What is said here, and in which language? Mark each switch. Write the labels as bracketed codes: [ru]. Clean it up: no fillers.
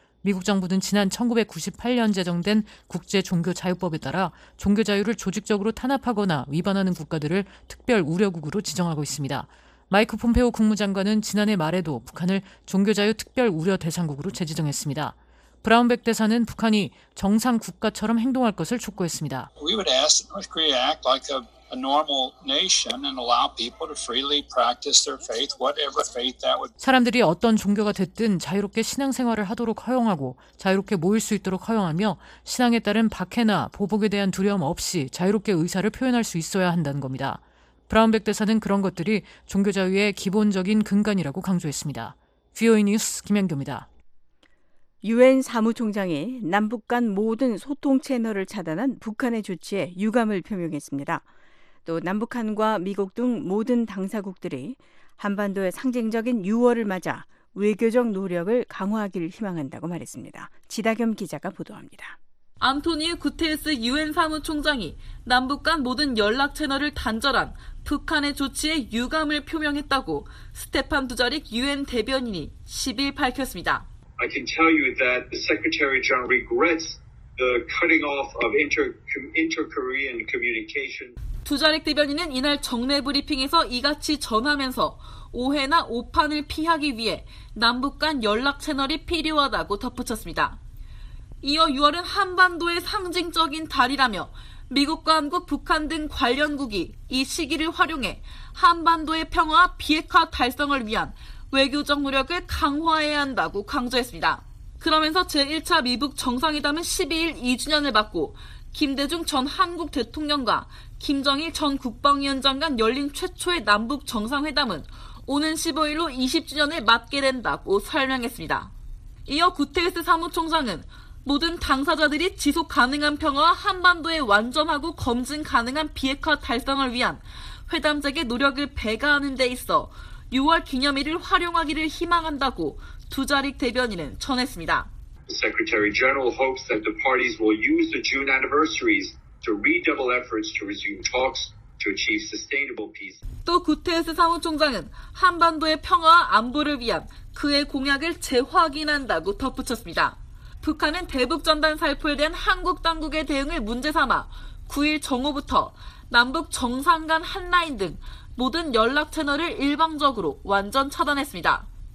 [ko] 미국 정부는 지난 1998년 제정된 국제종교자유법에 따라 종교자유를 조직적으로 탄압하거나 위반하는 국가들을 특별우려국으로 지정하고 있습니다. 마이크 폼페오 국무장관은 지난해 말에도 북한을 종교자유 특별우려대상국으로 재지정했습니다. 브라운백 대사는 북한이 정상 국가처럼 행동할 것을 촉구했습니다. [en] We would ask North Korea to act like a normal nation and allow people to freely practice their faith, whatever faith that would. [ko] 사람들이 어떤 종교가 됐든 자유롭게 신앙생활을 하도록 허용하고 자유롭게 모일 수 있도록 허용하며 신앙에 따른 박해나 보복에 대한 두려움 없이 자유롭게 의사를 표현할 수 있어야 한다는 겁니다. 브라운백 대사는 그런 것들이 종교 자유의 기본적인 근간이라고 강조했습니다. VOA 뉴스 김현규입니다. 유엔 사무총장이 남북 간 모든 소통 채널을 차단한 북한의 조치에 유감을 표명했습니다. 또 남북한과 미국 등 모든 당사국들이 한반도의 상징적인 6월을 맞아 외교적 노력을 강화하길 희망한다고 말했습니다. 지다겸 기자가 보도합니다. 안토니우 구테스 유엔 사무총장이 남북 간 모든 연락 채널을 단절한 북한의 조치에 유감을 표명했다고 스테판 두자릭 유엔 대변인이 10일 밝혔습니다. [en] I can tell you that the Secretary General regrets the cutting off of inter-Korean communication. [ko] 두자릭 대변인은 이날 정례 브리핑에서 이같이 전하면서 오해나 오판을 피하기 위해 남북 간 연락 채널이 필요하다고 덧붙였습니다. 이어 6월은 한반도의 상징적인 달이라며 미국과 한국, 북한 등 관련국이 이 시기를 활용해 한반도의 평화와 비핵화 달성을 위한 외교적 노력을 강화해야 한다고 강조했습니다. 그러면서 제1차 미북 정상회담은 12일 2주년을 맞고 김대중 전 한국 대통령과 김정일 전 국방위원장 간 열린 최초의 남북 정상회담은 오는 15일로 20주년을 맞게 된다고 설명했습니다. 이어 구테스 사무총장은 모든 당사자들이 지속 가능한 평화와 한반도의 완전하고 검증 가능한 비핵화 달성을 위한 회담적의 노력을 배가하는 데 있어 6월 기념일을 활용하기를 희망한다고 두자릭 대변인은 전했습니다. [en] The Secretary General hopes that the parties will use the June anniversaries to redouble efforts to resume talks to achieve sustainable peace. [ko] 또 구테스 사무총장은 한반도의 평화와 안보를 위한 그의 공약을 재확인한다고 덧붙였습니다. 북한은 대북전단 살포에 대한 한국 당국의 대응을 문제 삼아 9일 정오부터 남북 정상 간 한라인 등 모든 연락 채널을 일방적으로 완전 차단했습니다.